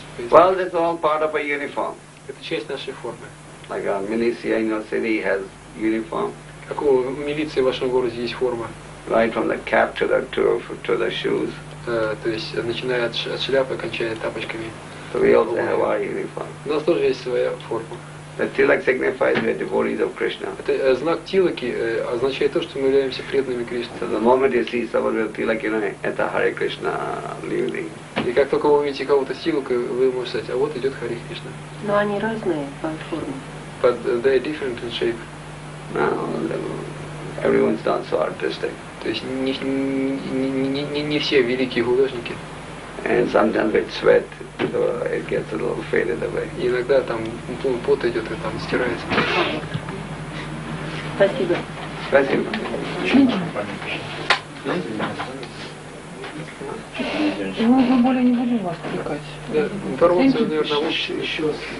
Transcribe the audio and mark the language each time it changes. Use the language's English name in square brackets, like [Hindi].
[English] Well, this is all part of a uniform. [Russian] Это часть нашей формы. [English] Like a militia in your city has uniform. [Russian] Как у милиции в вашем городе есть форма? [English] Right from the cap to the shoes. [Russian] То есть начиная от шляпы, кончая тапочками. [English] So we also have our uniform. [Russian] У нас тоже есть своя форма. [English] The tilak signifies we are devotees of Krishna. [Russian] Это знак тилаки означает то, что мы являемся преданными Кришне. [English] So the moment you see someone with tilak, you know, [Russian] это [English] Hare Krishna living. [Russian] И как только вы увидите кого-то с тилакой, вы можете сказать, а вот идет Hare Krishna. Но они разные по форме. [English] But they are different in shape. Now, everyone's not so artistic. [Russian] То есть не все великие художники. [English] And sometimes with sweat, so it gets a little faded away. [Russian] Иногда там пот идет и там стирается. Спасибо. Спасибо. Мы уже более не будем вас отвлекать. Да, информация, наверное, лучше еще.